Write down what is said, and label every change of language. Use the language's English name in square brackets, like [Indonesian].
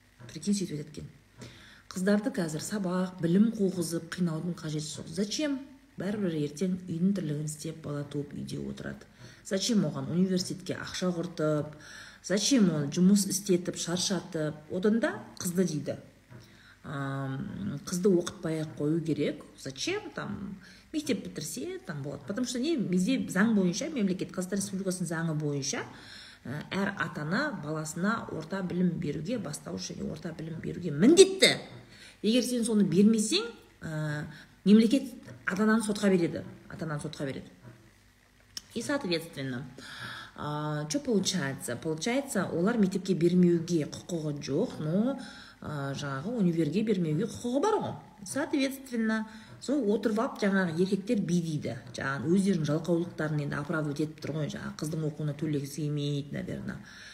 [Russian] Прикинь, [Kazakh] сөйтіп айтады екен. Қыздарды қазір сабақ, білім қуғызып қинаудың қажеті жоқ. [Russian] Зачем? [Kazakh] Бәрібір ертең үйдің тірлігін істеп бала туып үйде отырады. [Russian] Зачем [Kazakh] оған университетке ақша құртып, зачем оны жұмыс істетіп шаршатып? Одан да қызды дейді, қызды оқытпай ақ қою керек. [Russian] Зачем там [Kazakh] мектеп бітірсе там болады? [Russian] Потому что не [Kazakh] бізде заң бойынша, мемлекет Қазақстан Республикасының заңы бойынша әр атана баласына орта білім беруге, бастауыш және орта білім беруге міндетті. Егер сен соны бермесең, мемлекет атананы сотқа береді. [Russian] И соответственно, что получается? Получается, [Kazakh] олар мектепке бермеуге құқығы жоқ, но жаңағы универге бермеуге құқығы бар ғой. [Russian] Соответственно, [Kazakh] сол отырып алып жаңағы еркектер би дейді. Жаңағы өздерінің жалқаулықтарын енді [Russian] оправдывать [Kazakh] етіп тұр ғой, жаңағы қыздың оқуына төлегісі келмейді, [Russian] наверное.